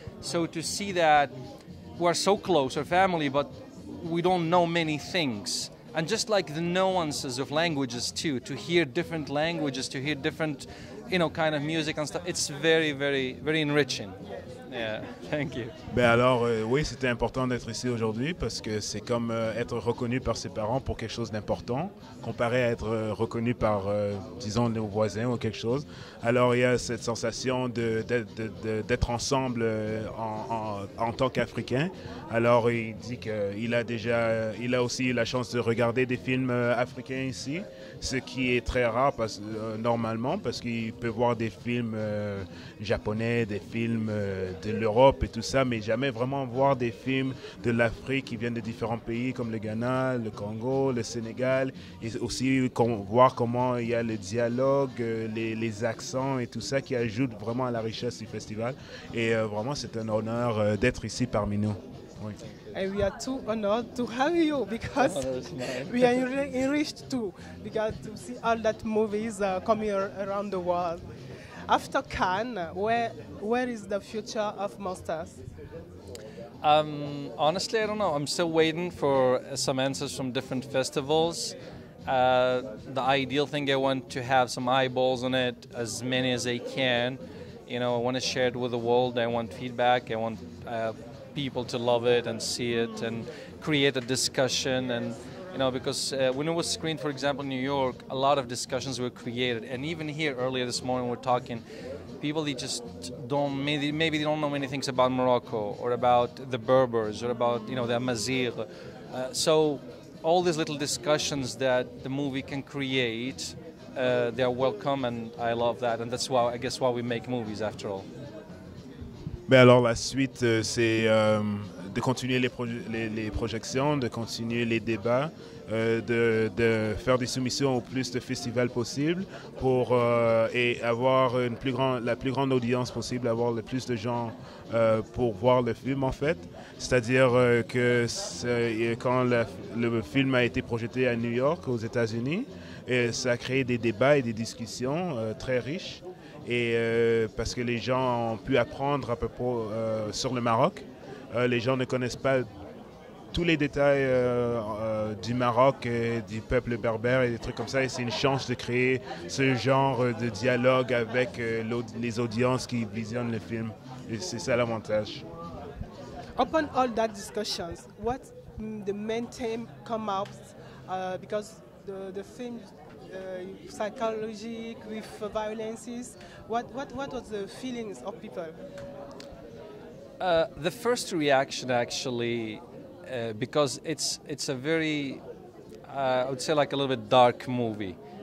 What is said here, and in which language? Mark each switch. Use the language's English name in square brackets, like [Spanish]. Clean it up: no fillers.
[English] So to see that, we're so close, our family, but we don't know many things. And just like the nuances of languages too, to hear different languages, to hear different, you know, kind of music and stuff, it's very, very, very enriching. Yeah, thank you. [French] Ben alors, oui, c'était important d'être ici aujourd'hui parce que c'est comme être reconnu par ses parents pour quelque chose d'important, comparé à être reconnu par, disons, nos voisins ou quelque chose. Alors, il y a cette sensation d'être ensemble en tant qu'Africain. Alors, il dit qu'il a déjà, il a aussi eu la chance de regarder des films africains ici, ce qui est très rare parce, normalement, parce qu'il peut voir des films japonais, des films de l'Europe et tout ça, mais jamais vraiment voir des films de l'Afrique qui viennent de différents pays comme le Ghana, le Congo, le Sénégal, et aussi voir comment il y a le dialogue, les accents et tout ça qui ajoute vraiment à la richesse du festival. Et vraiment, c'est un honneur d'être ici parmi nous. [English] And we are too honored to have you because we are enriched too, because to see all that movies coming around the world. After Cannes, where is the future of Monsters? Honestly, I don't know. I'm still waiting for some answers from different festivals. The ideal thing, I want to have some eyeballs on it, as many as I can. You know, I want to share it with the world. I want feedback. I want people to love it and see it and create a discussion. And you know, because when it was screened, for example, in New York, a lot of discussions were created. And even here earlier this morning, we're talking, people, they just don't, maybe they don't know many things about Morocco or about the Berbers or about, you know, the Amazigh. So all these little discussions that the movie can create, they are welcome, and I love that. And that's why, I guess, why we make movies after all. [French] Mais alors la suite, c'est de continuer les projections, de continuer les débats, de faire des soumissions au plus de festivals possible pour et avoir la plus grande audience possible, avoir le plus de gens pour voir le film en fait. C'est-à-dire que quand le film a été projeté à New York, aux États-Unis, et ça a créé des débats et des discussions très riches. Et parce que les gens ont pu apprendre à peu près sur le Maroc. Les gens ne connaissent pas tous les détails du Maroc, du peuple berbère et des trucs comme ça. Et c'est une chance de créer ce genre de dialogue avec les audiences qui visionnent le film. Et c'est ça l'avantage. [English] upon all that discussions, what the main theme come out, because the theme psychologic with violences, what was the feelings of people? The first reaction actually, because it's a very, I would say like a little bit dark movie.